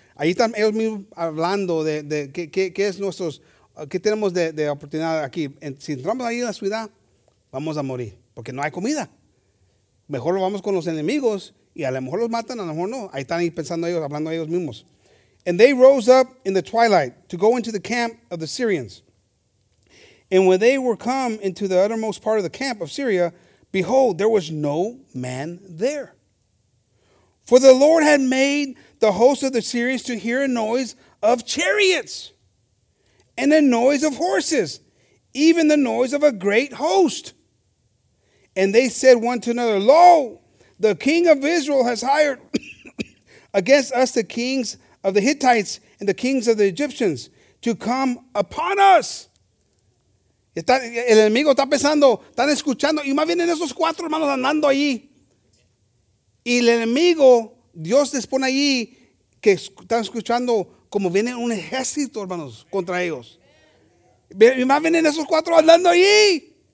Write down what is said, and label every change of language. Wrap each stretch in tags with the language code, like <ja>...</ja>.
<es>Ahí están ellos mismos hablando de qué es nuestros... ¿Qué tenemos de oportunidad aquí? Si entramos ahí en la ciudad, vamos a morir. Porque no hay comida. Mejor lo vamos con los enemigos. Y a lo mejor los matan, a lo mejor no. Ahí están ahí pensando ellos, hablando ellos mismos.</es> <en>And they rose up in the twilight to go into the camp of the Syrians. And when they were come into the uttermost part of the camp of Syria, behold, there was no man there. For the Lord had made the host of the Syrians to hear a noise of chariots. And the noise of horses, even the noise of a great host. And they said one to another, lo, the king of Israel has hired against us the kings of the Hittites and the kings of the Egyptians to come upon us.</en> <es>El enemigo está pensando, están escuchando, y más vienen esos cuatro hermanos andando allí. Y el enemigo, Dios les pone allí que están escuchando. Como viene un ejército, hermanos, contra ellos. Y más vienen esos cuatro andando allí.</es>